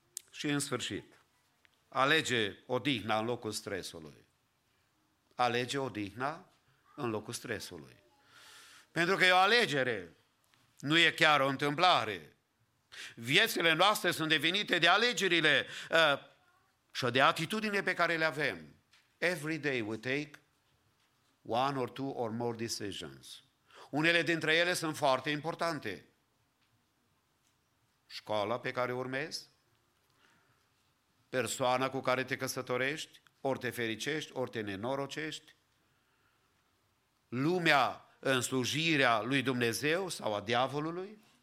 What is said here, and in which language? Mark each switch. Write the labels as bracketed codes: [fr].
[ro] Și în sfârșit, alege odihna în locul stresului. Alege odihna în locul stresului. Pentru că e o alegere, nu e chiar o întâmplare. Viețile noastre sunt devenite de alegerile și de atitudine pe care le avem. [en] Every day we take one or two or more decisions. [ro] Unele dintre ele sunt foarte importante. Școala pe care urmezi, persoana cu care te căsătorești, ori te fericești, ori te nenorocești, lumea în slujirea lui Dumnezeu sau a diavolului.